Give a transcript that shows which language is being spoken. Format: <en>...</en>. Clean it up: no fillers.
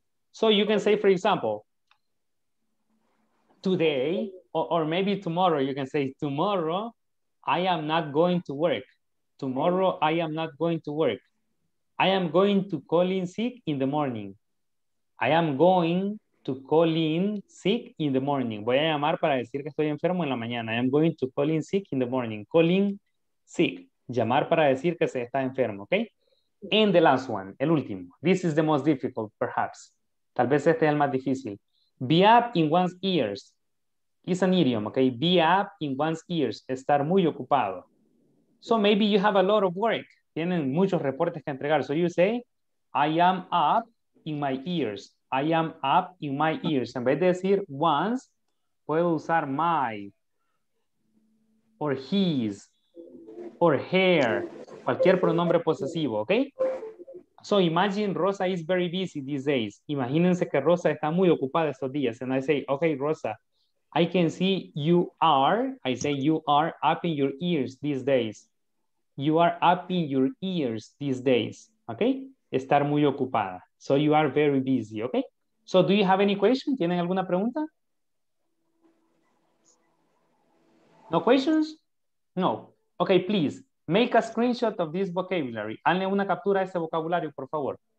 <en>So you can say, for example, today, or maybe tomorrow, you can say, tomorrow, I am not going to work. Tomorrow, I am not going to work. I am going to call in sick in the morning. I am going to call in sick in the morning.</en> <es>Voy a llamar para decir que estoy enfermo en la mañana.</es> <en>I am going to call in sick in the morning. Call in sick.</en> <es>Llamar para decir que se está enfermo, okay?</es> <en>And the last one,</en> <es>el último.</es> <en>This is the most difficult, perhaps.</en> <es>Tal vez este es el más difícil.</es> <en>Be up in one's ears. It's an idiom, okay? Be up in one's ears.</en> <es>Estar muy ocupado.</es> <en>So maybe you have a lot of work.</en> <es>Tienen muchos reportes que entregar.</es> <en>So you say, I am up in my ears. I am up in my ears.</en> <es>En vez de decir once, puedo usar my, or his, or her, cualquier pronombre posesivo, ¿ok?</es> <en>So imagine Rosa is very busy these days.</en> <es>Imagínense que Rosa está muy ocupada estos días.</es> <en>And I say, okay, Rosa, I can see you are, I say you are up in your ears these days. You are up in your ears these days, okay?</en> <es>Estar muy ocupada.</es> <en>So you are very busy, okay? So do you have any question?</en> <es>¿Tienen alguna pregunta?</es> <en>No questions? No. Okay, please, make a screenshot of this vocabulary.</en> <es>Hazle una captura a ese vocabulario, por favor.</es>